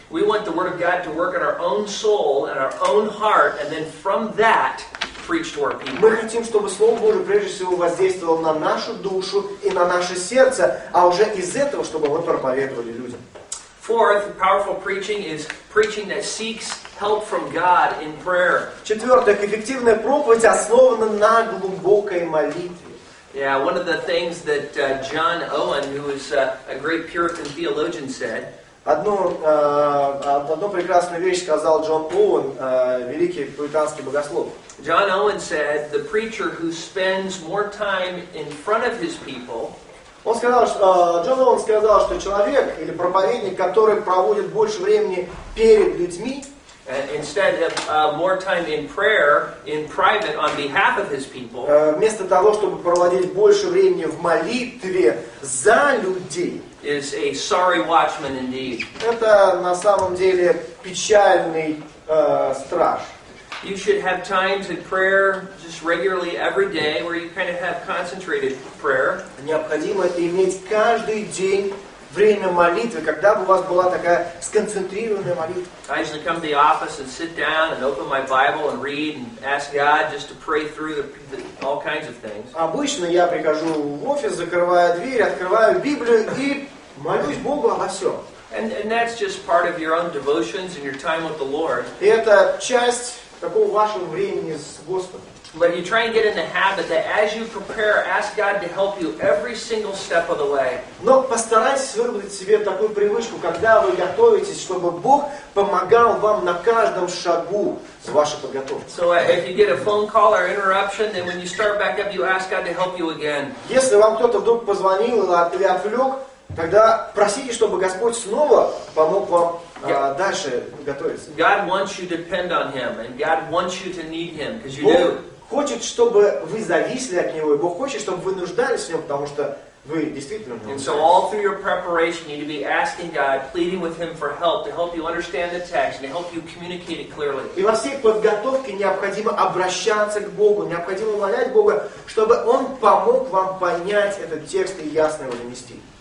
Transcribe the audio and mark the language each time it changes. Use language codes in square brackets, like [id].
[en] We want the word of God to work in our own soul and our own heart and then from that preach to our people. [ru] Мы хотим, чтобы Слово Божие прежде всего воздействовало на нашу душу и на наше сердце, а уже из этого, чтобы мы проповедовали людям. [en] Fourth, powerful preaching is preaching that seeks help from God in prayer. [ru] Четвертое, эффективная проповедь основана на глубокой молитве. [en] Yeah, one of the things that John Owen, who is a great Puritan theologian, said. [ru] Одну прекрасную вещь сказал Джон Оуэн, великий пуританский богослов. [en] John Owen said, the preacher who spends more time in front of his people. [ru] Он сказал, что Джон Оуэн сказал, что человек или проповедник, который проводит больше времени перед людьми. [en] Instead of more time in prayer, in private, on behalf of his people. [ru] Вместо того, чтобы проводить больше времени в молитве за людей. [en] Is a sorry watchman indeed. [ru] Это на самом деле печальный страж. [en] You should have times in prayer just regularly every day where you kind of have concentrated prayer. [ru] Необходимо иметь каждый день время молитвы, когда бы у вас была такая сконцентрированная молитва. [en] I usually come to the office and sit down and open my Bible and read and ask God just to pray through all kinds of things. [ru] Обычно я прихожу в офис, закрываю дверь, открываю Библию и молюсь Богу обо всем. [en] And that's just part of your own devotions and your time with the Lord. [ru] И это часть такого вашего времени с Господом. [en] But you try and get in the habit that as you prepare, ask God to help you every single step of the way. [ru] Но постарайтесь выработать себе такую привычку, когда вы готовитесь, чтобы Бог помогал вам на каждом шагу с вашей подготовкой. [en] So if you get a phone call or interruption, then when you start back up, you ask God to help you again. [ru] Если вам кто-то вдруг позвонил или отвлек, тогда просите, чтобы Господь снова помог вам. Дальше готовиться. [en] God wants you to depend on Him, and God wants you to need Him, because you [ru] Бог [en] do. [ru] Бог хочет, чтобы вы зависели от Него, и Бог хочет, чтобы вы нуждались в Нем, потому что вы действительно можете. [en] And so all through your preparation, you need to be asking God, pleading with Him for help to help you understand the text and to help you communicate it clearly. [ru] И во всей подготовке необходимо обращаться к Богу, необходимо умолять Бога, чтобы Он помог вам понять этот текст и ясно его донести.